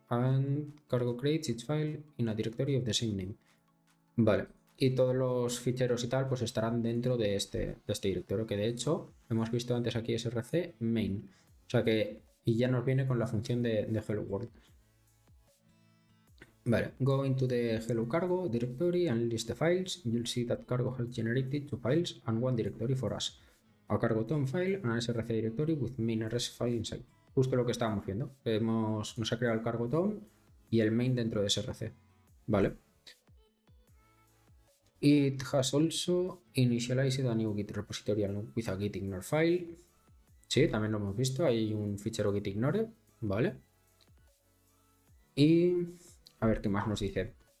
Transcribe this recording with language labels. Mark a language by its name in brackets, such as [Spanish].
[English] And cargo creates its file in a directory of the same name. [Spanish] Vale. Y todos los ficheros y tal pues estarán dentro de este directorio, que de hecho hemos visto antes aquí src main, o sea que, y ya nos viene con la función de hello world. [English] Vale, go into the hello cargo directory and list the files. You'll see that cargo has generated 2 files and 1 directory for us, a cargo tom file and an src directory with main rs file inside. [Spanish] Justo lo que estábamos viendo, nos ha creado el cargo tom y el main dentro de src. Vale. [English] It has also initialized a new git repository with a git ignore file. [Spanish] Sí, también lo hemos visto. Hay un fichero git ignore, ¿vale? Y a ver qué más nos dice.